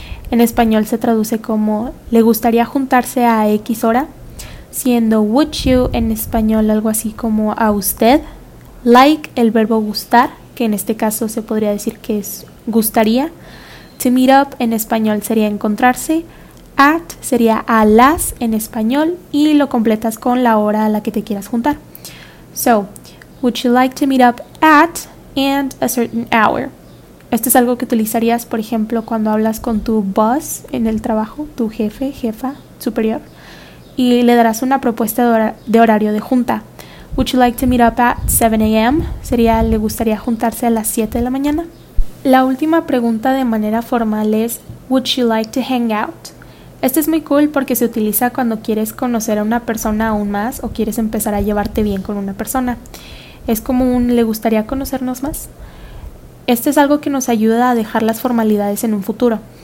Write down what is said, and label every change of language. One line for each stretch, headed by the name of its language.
Spanish: En español se traduce como le gustaría juntarse a X hora, siendo would you en español algo así como a usted, like el verbo gustar, que en este caso se podría decir que es gustaría. To meet up en español sería encontrarse, at sería a las en español y lo completas con la hora a la que te quieras juntar.
English: So, would you like to meet up at and a certain hour?
Spanish: Esto es algo que utilizarías, por ejemplo, cuando hablas con tu boss en el trabajo, tu jefe, jefa, superior, y le darás una propuesta de horario de junta.
English: Would you like to meet up at 7 a.m.?
Spanish: Sería, ¿le gustaría juntarse a las 7 de la mañana? La última pregunta de manera formal es,
English: would you like to hang out?
Spanish: Este es muy cool porque se utiliza cuando quieres conocer a una persona aún más o quieres empezar a llevarte bien con una persona. Es como un, ¿le gustaría conocernos más? Este es algo que nos ayuda a dejar las formalidades en un futuro.